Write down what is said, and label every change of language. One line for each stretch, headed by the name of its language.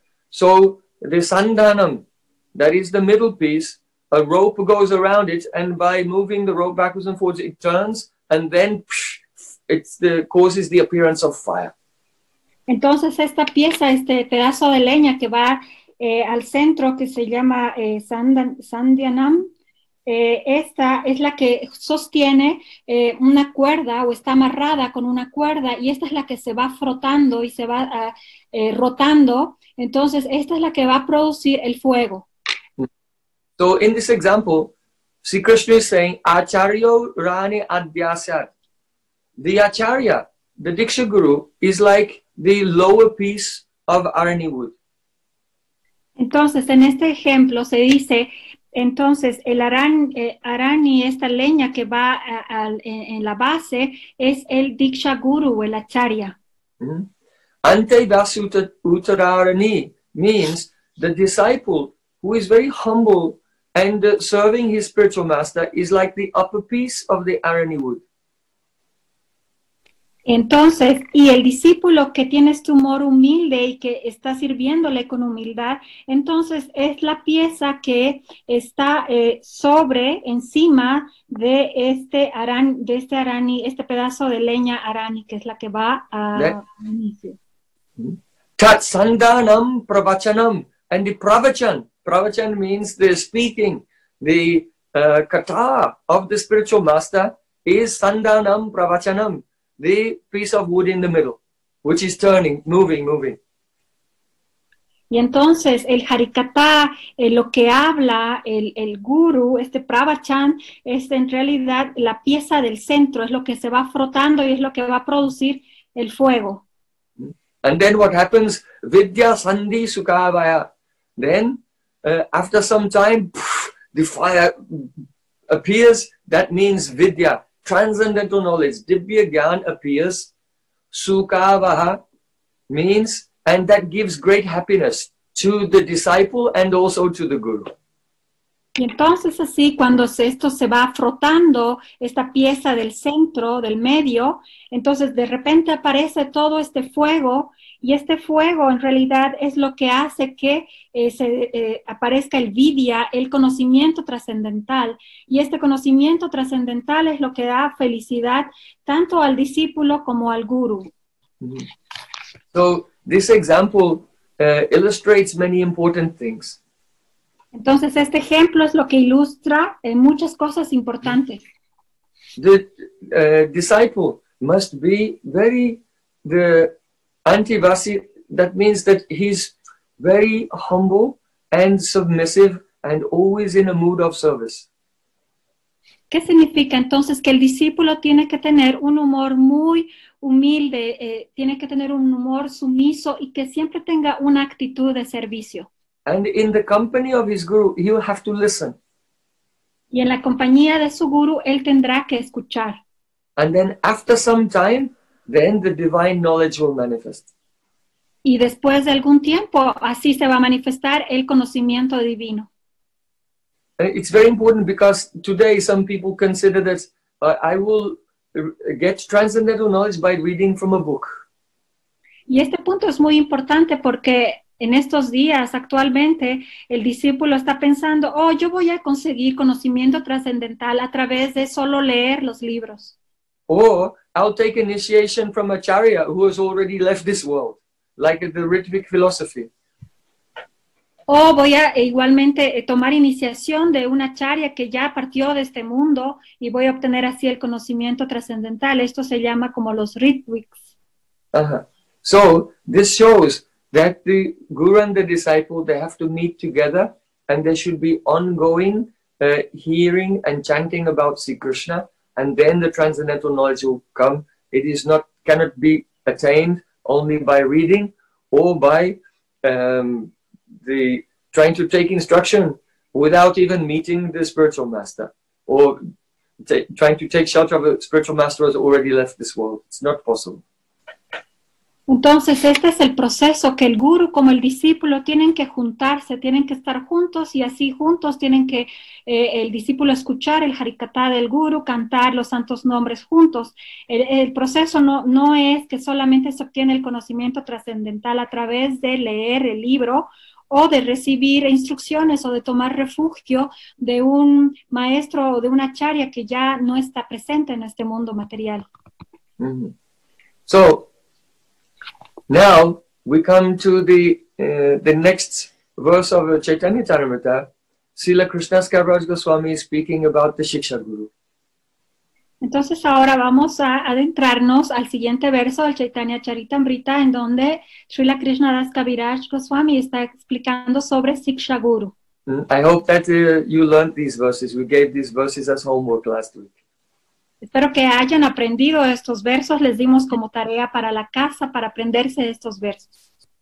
English: So, the sandanam, that is the middle piece, a rope goes around it, and by moving the rope backwards and forwards, it turns, and then causes the appearance of fire.
Spanish: Entonces, esta pieza, este pedazo de leña que va al centro, que se llama sandanam, esta es la que sostiene una cuerda, o está amarrada con una cuerda, y esta es la que se va frotando y se va rotando. Entonces, esta es la que va a producir el fuego.
English: So in this example, Sri Krishna is saying,
Sanskrit: Acharyo Rani Adhyasat.
English: The Acharya, the Diksha Guru, is like the lower piece of arani wood.
Spanish: Entonces, en este ejemplo se dice, entonces, el arani, esta leña que va en la base, es el Diksha Guru, el Acharya.
Sanskrit: Ante Vasuta Uttararani
English: means the disciple who is very humble and serving his spiritual master is like the upper piece of the arani wood.
Spanish: Entonces, y el discípulo que tienes tu humor humilde y que está sirviéndole con humildad, entonces es la pieza que está sobre, encima de este arani, este pedazo de leña arani, que es la que va a inicio.
Sanskrit: Tat sandanam pravachanam.
English: And the pravachan means the speaking, the kata of the spiritual master is sandanam pravachanam. The piece of wood in the middle, which is turning, moving.
Spanish: Y entonces el harikata, lo que habla el guru, este pravachan, es en realidad la pieza del centro, es lo que se va frotando y es lo que va a producir el fuego.
English: And then what happens?
Sanskrit: Vidya sandhi sukavaya.
English: Then, after some time, the fire appears. That means vidya. Transcendental knowledge, Divya Gyan appears, Sukavaha means, and that gives great happiness to the disciple and also to the guru.
Spanish: Y entonces así, cuando esto se va frotando, esta pieza del centro, del medio, entonces de repente aparece todo este fuego, y este fuego en realidad es lo que hace que aparezca el vidya, el conocimiento trascendental, y este conocimiento trascendental es lo que da felicidad tanto al discípulo como al guru.
English: So, this example illustrates many important things.
Spanish: Entonces, este ejemplo es lo que ilustra muchas cosas importantes.
English: The disciple must be very, the antivasi, that means that he's very humble and submissive and always in a mood of service.
Spanish: ¿Qué significa entonces que el discípulo tiene que tener un humor muy humilde, tiene que tener un humor sumiso y que siempre tenga una actitud de servicio?
English: And in the company of his guru, he will have to listen.
Spanish: Y en la compañía de su guru, él tendrá que escuchar.
English: And then after some time, then the divine knowledge will manifest.
Spanish: Y después de algún tiempo, así se va a manifestar el conocimiento divino.
English: It's very important because today some people consider that I will get transcendental knowledge by reading from a book.
Spanish: Y este punto es muy importante porque en estos días, actualmente, el discípulo está pensando, oh, yo voy a conseguir conocimiento trascendental a través de solo leer los libros.
English: Or, I'll take initiation from Acharya, who has already left this world, like the Ritvic philosophy.
Spanish: Oh, voy a igualmente tomar iniciación de una acharya que ya partió de este mundo y voy a obtener así el conocimiento trascendental. Esto se llama como los ritviks.
English: So this shows that the guru and the disciple, they have to meet together and there should be ongoing hearing and chanting about Sri Krishna, and then the transcendental knowledge will come. It is not, cannot be attained only by reading or by the trying to take instruction without even meeting the spiritual master, or trying to take shelter of a spiritual master who has already left this world. It's not possible.
Spanish: Entonces, este es el proceso que el guru como el discípulo tienen que juntarse, tienen que estar juntos y así juntos tienen que el discípulo escuchar el harikatha del guru, cantar los santos nombres juntos. El proceso no es que solamente se obtiene el conocimiento trascendental a través de leer el libro o de recibir instrucciones o de tomar refugio de un maestro o de una acharya que ya no está presente en este mundo material.
English: So, now we come to the next verse of Chaitanya Charitamrita. Srila Krishna Kaviraj Goswami is speaking about the Shiksha Guru.
Spanish: Entonces ahora vamos a adentrarnos al siguiente verso del Chaitanya Charitamrita, en donde Srila Krishna Das Kaviraj Goswami está explicando sobre Shiksha Guru.
English: I hope that you learned these verses. We gave these verses as homework last week.
Spanish: Espero que hayan aprendido estos versos. Les dimos como tarea para la casa para aprenderse estos versos.